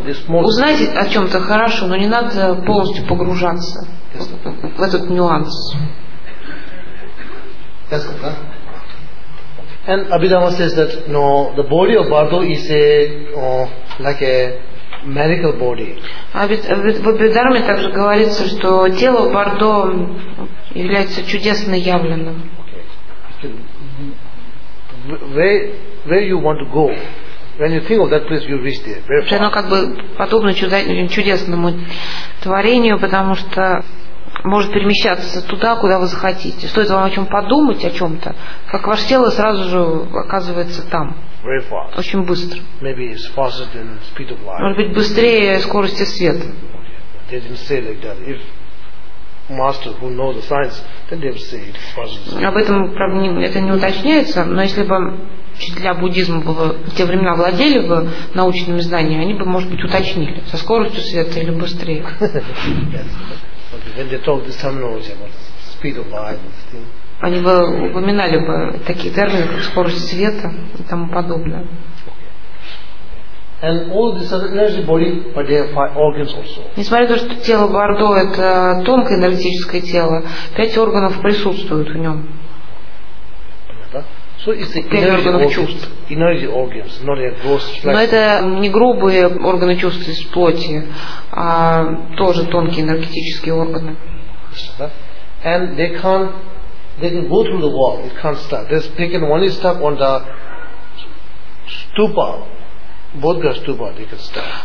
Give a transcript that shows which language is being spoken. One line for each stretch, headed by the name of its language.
Russian: Узнайте о чем-то хорошо, но не надо полностью погружаться в этот нюанс.
English: And Abhidhamma says that no, the body of Bardo is a like a medical body.
Russian: В Абхидхарме также говорится, что тело Бардо является чудесно явленным.
English: Where you want to go? When you think of that place, you reach there. Very far.
Russian: Оно как бы подобно чудесному творению, потому что может перемещаться туда, куда вы захотите. Стоит вам о чем подумать, о чем-то, как ваше тело сразу же оказывается там.
English: Very fast.
Russian: Очень быстро.
English: Maybe it's faster than speed of light.
Russian: Может быть, быстрее скорости света.
English: They didn't say like that. If master who knows the science, then they would say it's faster.
Russian: Об этом, правда, это не уточняется, но если бы учителя буддизма бы в те времена владели бы научными знаниями, они бы, может быть, уточнили со скоростью света или быстрее.
English: When they talk this terminology about speed of light and things.
Russian: Они бы упоминали бы такие термины, как скорость света и тому подобное.
English: And all this are energy body, but they have five organs also.
Russian: Несмотря на то, что тело Бардо это тонкое энергетическое тело, пять органов присутствуют в нем.
English: So it's the energy organs,
Russian: чувств.
English: Energy organs, not a gross flesh.
Russian: Но это не грубые органы чувств из плоти, а тоже тонкие энергетические органы.
English: And they can go through the wall. It can't stop. They can only stop on the stupa. Both the stupa they can stop.